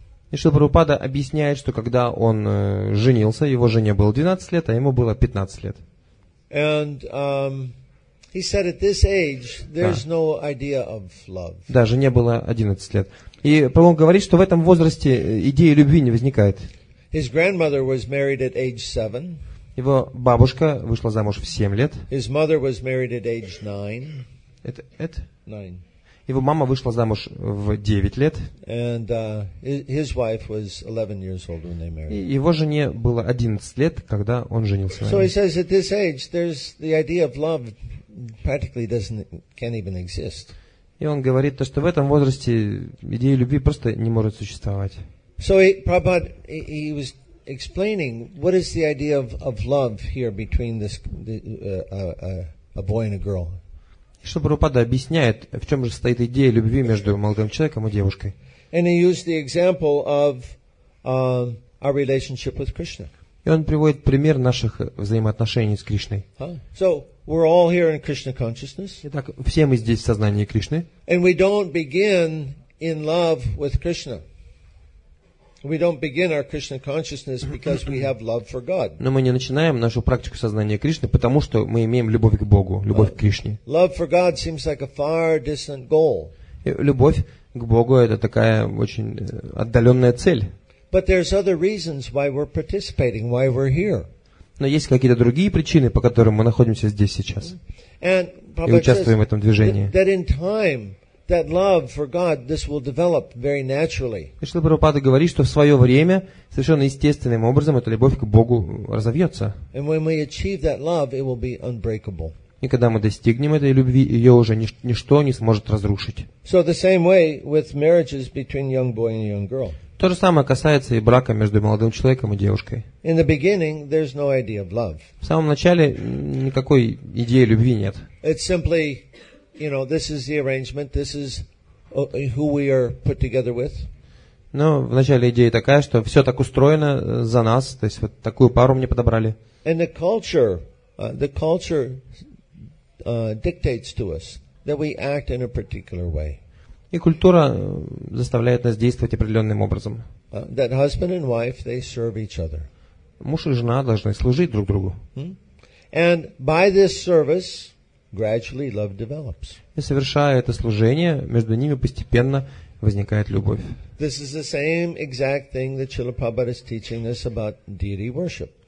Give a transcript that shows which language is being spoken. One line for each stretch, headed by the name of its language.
Russian: И Шрила Прабхупада объясняет, что когда он женился, его жене было 12 лет, а ему было 15 лет.
English: And he said, at this age, there's no idea of love.
Russian: Да, жене было 11 лет. И он говорит, что в этом возрасте идеи любви не возникает.
English: His grandmother was married at age 7.
Russian: Его бабушка вышла замуж в 7 лет.
English: His mother was married at age 9.
Russian: Его мама вышла замуж в 9 лет.
English: And his wife was 11 years old when they married.
Russian: И его жене было 11 лет, когда он женился на ней.
English: So he says at this age, there's the idea of love practically can't even exist.
Russian: И он говорит то, что в этом возрасте идея любви просто не может существовать.
English: So Prabhupada, he was explaining what is the idea of love here between this a boy and a girl.
Russian: Что Прабхупада объясняет, в чем же стоит идея любви между молодым человеком и девушкой.
English: And he used the example of our relationship with Krishna.
Russian: И он приводит пример наших взаимоотношений с Кришной.
English: So we're all here in Krishna consciousness.
Russian: Итак, все мы здесь в сознании Кришны.
English: And we don't begin in love with Krishna. We don't begin our Krishna consciousness because we have love for God.
Russian: Но мы не начинаем нашу практику сознания Кришны, потому что мы имеем любовь к Богу, любовь к Кришне.
English: Love for God seems like a far distant goal.
Russian: Любовь к Богу это такая очень отдаленная цель.
English: But there's other reasons why we're participating, why we're here.
Russian: Но есть какие-то другие причины, по которым мы находимся здесь сейчас и участвуем в этом движении.
English: That in time, that love for God, this will develop very naturally.
Russian: И Шрила Прабхупада говорит, что в свое время совершенно естественным образом эта любовь к Богу разовьется.
English: And when we achieve that love, it will be unbreakable.
Russian: И когда мы достигнем этой любви, ее уже ничто не сможет разрушить.
English: So the same way with marriages between young boy and young girl.
Russian: То же самое касается и брака между молодым человеком и девушкой.
English: In the beginning, there's no idea of love.
Russian: В самом начале никакой идеи любви нет.
English: It's simply, you know, this is the arrangement, this is who we are put together with.
Russian: Но в начале идея такая, что все так устроено за нас, то есть вот такую пару мне подобрали.
English: And the culture dictates to us that we act in a particular way.
Russian: И культура заставляет нас действовать определенным образом.
English: That husband and wife, they serve each other.
Russian: Муж и жена должны служить друг другу.
English: And by this service, gradually love develops.
Russian: И совершая это служение, между ними постепенно возникает любовь.
English: This is the same exact thing that Srila Prabhupada is teaching us about deity worship.